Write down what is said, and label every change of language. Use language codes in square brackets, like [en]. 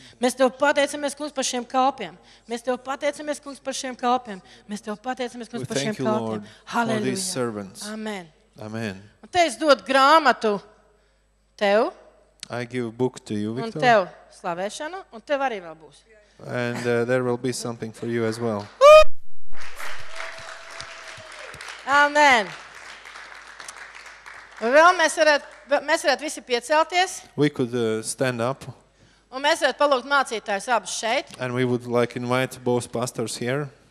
[lv] Mēs tev pateicamies, kungs, par šiem kalpiem. Mēs tev pateicamies, kungs, par šiem kalpiem. Mēs tev pateicamies, kungs, par šiem kalpiem. Halleluja. Amen. Amen. Un te es dod grāmatu tev. [en] I give a book to you, Victor. [lv] Un tev slavēšanu, un tev arī vēl būs. [en] And there will be something for you as well. [lv] Amen. Vēl mēs varētu visi piecelties. [en] We could stand up. [lv] Un mēs varētu palūkt mācītājus abus šeit. [en] And we would like invite both pastors here.